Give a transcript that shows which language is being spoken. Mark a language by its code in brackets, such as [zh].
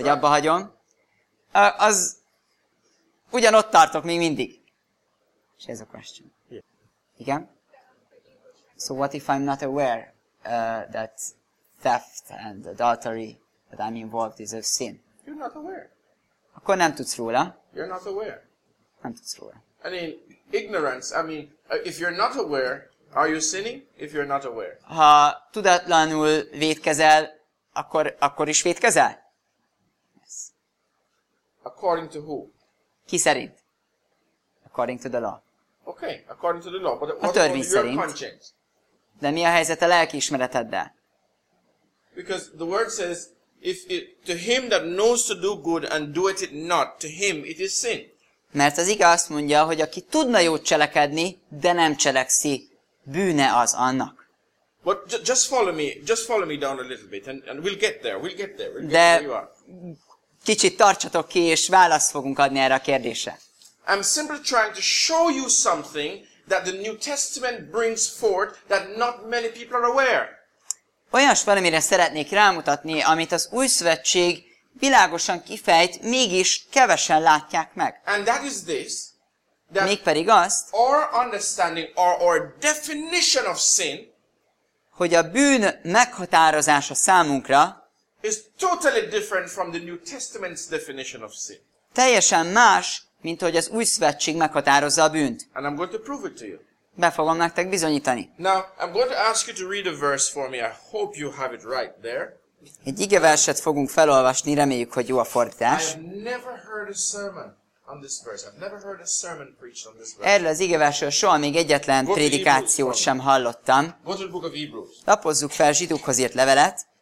[hu] vagy abba hagyom, az ugyanott tartok még mindig. És ez a question. [en] Yeah. [hu] Igen? [en] So what if I'm not aware that theft and adultery that I'm involved is a sin? You're not aware. [hu] Akkor nem tudsz róla. [en] You're not aware. [hu] Nem tudsz róla. [en] I mean, ignorance, I mean, if you're not aware, are you sinning if you're not aware? [hu] Ha tudatlanul vétkezel, akkor is vétkezel? [en] Yes. According to who? [hu] Ki szerint? [en] According to the law. Okay, according to the law. But what about your conscience? [hu] De mi a helyzet a lelkiismereteddel? [en] Because the word says, to him that knows to do good and doeth it not, to him it is sin. [hu] Mert az ige azt mondja, hogy aki tudna jót cselekedni, de nem cselekszi, bűne az annak. [en] But just follow me down a little bit, and we'll get there. We'll get there. We'll get where you are. [hu] Kicsit tartsatok ki, és választ fogunk adni erre a kérdésre. [en] I'm simply trying to show you something that the New Testament brings forth that not many people are aware. [hu] Olyas valamire szeretnék rámutatni, amit az Új Szövetség világosan kifejt, mégis kevesen látják meg. [en] And that is this, [hu] that mégpedig azt, [en] our understanding or our definition of sin, [hu] hogy a bűn meghatározása számunkra [en] is totally different from the New Testament's definition of sin. [hu] Teljesen más, mint hogy az Új Szövetség meghatározza a bűnt. [en] And I'm going to prove it to you. [hu] Be fogom nektek bizonyítani. [en] Now, I'm going to ask you to read a verse for me. I hope you have it right there. [hu] Egy igeverset fogunk felolvasni, reméljük, hogy jó a fordítás. [en] I have never heard a sermon on this verse. I've never heard a sermon preached on this verse. [hu] Erről az igeversről soha még egyetlen prédikációt sem hallottam. [en] Go to the book of Hebrews. [hu] Lapozzuk fel zsidókhoz írt levelet.